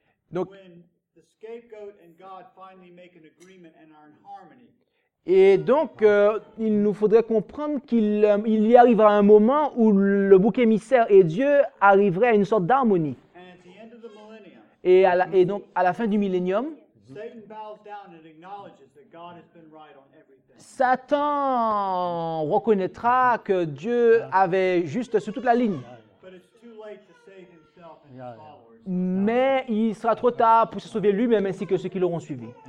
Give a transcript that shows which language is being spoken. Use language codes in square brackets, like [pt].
[en] Donc, when the scapegoat and God finally make an agreement and are in harmony. [fr] Et donc, il nous faudrait comprendre qu'il y arrivera un moment où le bouc émissaire et Dieu arriveraient à une sorte d'harmonie. [en] And at the end of the millennium, [fr] à la fin du millénium, [en] Satan bows down and acknowledges that God has been right on everything. [fr] Satan reconnaîtra que Dieu avait juste sur toute la ligne. [en] But it's too late to save himself and his followers. [fr] Mais il sera trop tard pour se sauver lui-même ainsi que ceux qui l'auront suivi.